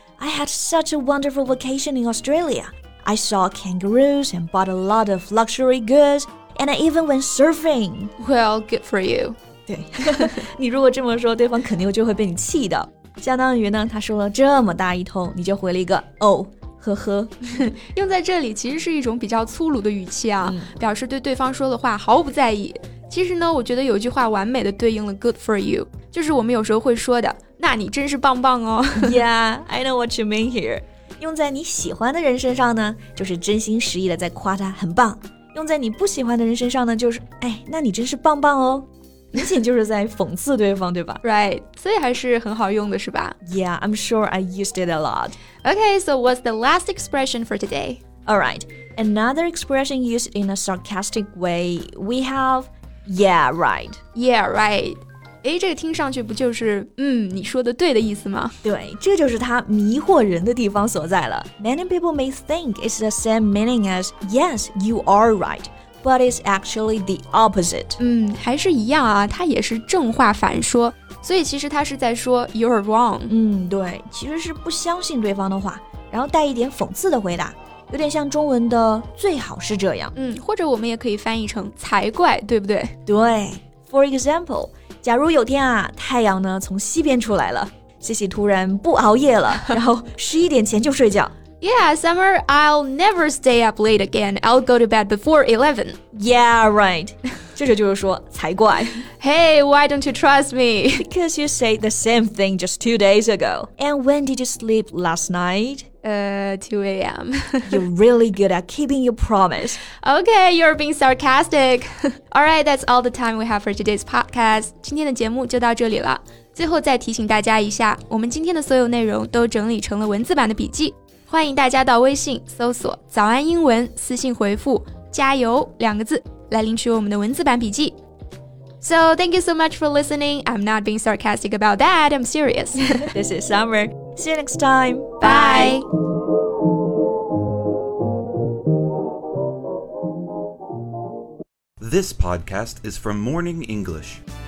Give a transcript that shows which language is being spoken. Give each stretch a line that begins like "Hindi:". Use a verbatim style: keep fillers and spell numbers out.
English: I had such a wonderful vacation in Australia. I saw kangaroos and bought a lot of luxury goods, and I even went surfing. Well, good for you.
Chinese: 对你如果这么说，对方肯定就会被你气到，相当于呢他说了这么大一通，你就回了一个哦呵呵用在这里其实是一种比较粗鲁的语气啊、嗯、表示对对方说的话毫不在意。其实呢，我觉得有一句话完美的对应了
English: good for you，
Chinese: 就是我们有时候会说的那你真是棒棒哦。
English: Yeah, I know what you mean here.
Chinese: 用在你喜欢的人身上呢，就是真心实意的在夸他很棒，用在你不喜欢的人身上呢，就是哎，那你真是棒棒哦，明显就是在讽刺对方，对吧？
English: Right,
Chinese: 所以还是很好用的是吧？
English: Yeah, I'm sure I used it a lot. Okay, so what's the last expression for today? Alright, another expression used in a sarcastic way we have yeah, right. Yeah, right.
Chinese: 诶，这个听上去不就是嗯，你说的对的意思吗？对，这就是它迷惑人的地方所在了。
English: Many people may think it's the same meaning as yes, you are right. But it's actually the opposite.
Chinese: 嗯，还是一样啊，它也是正话反说，所以其实它是在说
English: you're wrong.
Chinese: 嗯，对，其实是不相信对方的话，然后带一点讽刺的回答，有点像中文的最好是这样。嗯，或者我们也可以翻译成才怪，对不对？对。
English: For example,
Chinese: 假如有天啊，太阳呢从西边出来了，西西突然不熬夜了，然后十一点前就睡觉。
English: Yeah, Summer, I'll never stay up late again. I'll go to bed before eleven. Yeah, right.
Chinese: 这就是说才怪。
English: Hey, why don't you trust me? Because you said the same thing just two days ago. And when did you sleep last night? Uh, two a.m. You're really good at keeping your promise. Okay, you're being sarcastic. All right, that's all the time we have for today's podcast.
Chinese: 今天的节目就到这里了。最后再提醒大家一下，我们今天的所有内容都整理成了文字版的笔记。欢迎大家到微信搜索早安英文，私信回复加油两个字来领取我们的文字版笔记。
English: So, thank you so much for listening. I'm not being sarcastic about that. I'm serious. This is Summer. See you next time. Bye. Bye. This podcast is from Morning English.